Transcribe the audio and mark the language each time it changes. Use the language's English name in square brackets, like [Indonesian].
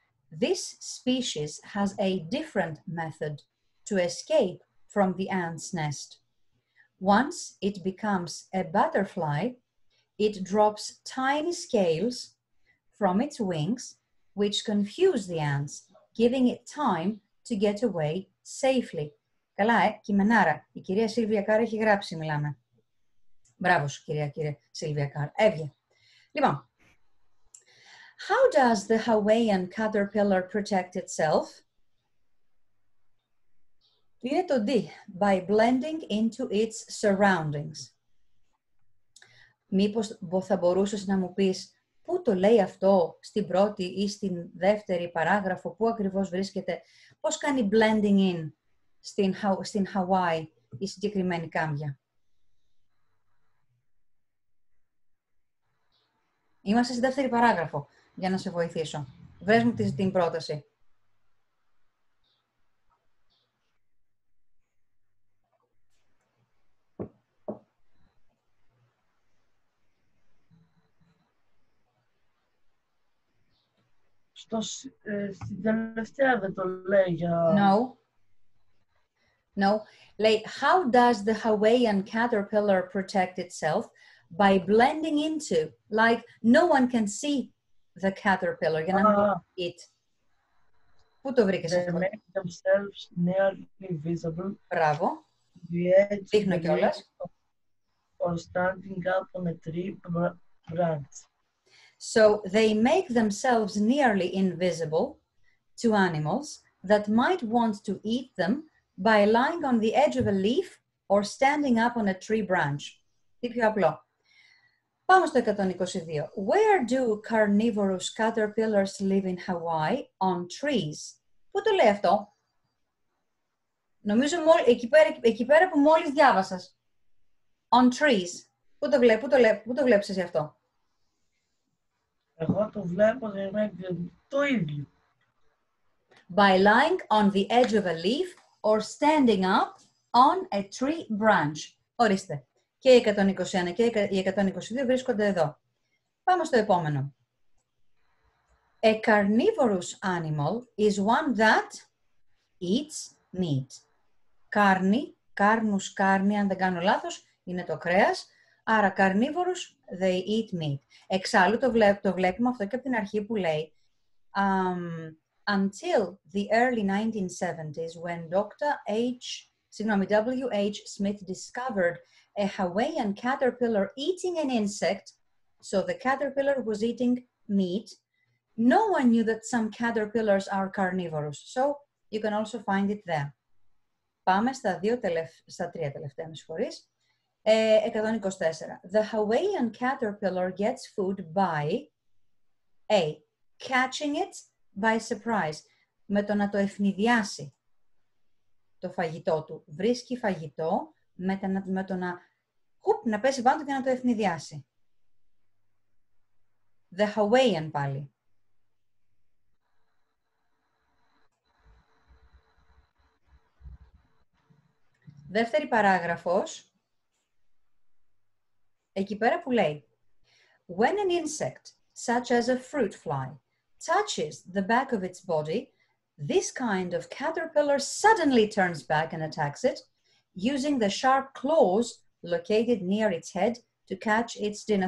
[English] This species has a different method to escape from the ant's nest. Once it becomes a butterfly, it drops tiny scales from its wings, which confuse the ants, giving it time to get away safely. [Greek] Καλά, ε, κειμενάρα. Η κυρία Σίλβια Κάρ έχει γράψει, μιλάμε. Μπράβο σου, κυρία, κύριε Σίλβια Κάρ. Έβγε. Λοιπόν. [English] How does the Hawaiian caterpillar protect itself? [Greek] Είναι το D. [English] By blending into its surroundings. [Greek] Μήπως θα μπορούσες να μου πεις πού το λέει αυτό στην πρώτη ή στην δεύτερη παράγραφο, πού ακριβώς βρίσκεται, πώς κάνει [English] blending in [Greek] στην Hawaii η συγκεκριμένη κάμβια. Είμαστε στην δεύτερη παράγραφο για να σε βοηθήσω. Βρες μου την πρόταση. Στην τελευταία δεν το λέει για... [English] No. No. [Greek] Λέει, [English] how does the Hawaiian caterpillar protect itself? By blending into, like, no one can see the caterpillar. [Greek] Για να μην it. Πού το βρήκες αυτό? [English] They make themselves nearly visible. [Greek] Μπράβο. Δείχνω κιόλας. [English] Or standing up on a tree branch. So they make themselves nearly invisible to animals that might want to eat them by lying on the edge of a leaf or standing up on a tree branch. [Greek] Τι πιο απλό. Πάμε στο 122. [English] Where do carnivorous caterpillars live in Hawaii? On trees. [Greek] Πού το λέει αυτό? Νομίζω εκεί πέρα που μόλις διάβασες. [English] On trees. [Greek] Πού το βλέπεις εσύ αυτό? Εγώ το βλέπω και είμαι το ίδιο. [English] By lying on the edge of a leaf or standing up on a tree branch. [Greek] Ορίστε. Και η 121 και η 122 βρίσκονται εδώ. Πάμε στο επόμενο. [English] A carnivorous animal is one that eats meat. [Greek] Κάρνη, κάρνους κάρνη, αν δεν κάνω λάθος, είναι το κρέας. Άρα, [English] carnivorous, they eat meat. [Greek] Εξάλλου, το βλέπουμε αυτό και από την αρχή που λέει [English] until the early 1970s, when W.H. Smith discovered a Hawaiian caterpillar eating an insect, so the caterpillar was eating meat, no one knew that some caterpillars are carnivorous. So, you can also find it there. [Greek] Πάμε στα τρία τελευταία, με συγχωρείς. 124. [English] The Hawaiian caterpillar gets food by A. Catching it by surprise. [Greek] Με το να το ευνηδιάσει το φαγητό του. Βρίσκει φαγητό με το να χουπ, να πέσει πάνω του και να το ευνηδιάσει. [English] The Hawaiian [Greek] πάλι. Δεύτερη παράγραφος. Εκεί πέρα που λέει, [English] when an insect, such as a fruit fly, touches the back of its body, this kind of caterpillar suddenly turns back and attacks it, using the sharp claws located near its head to catch its dinner.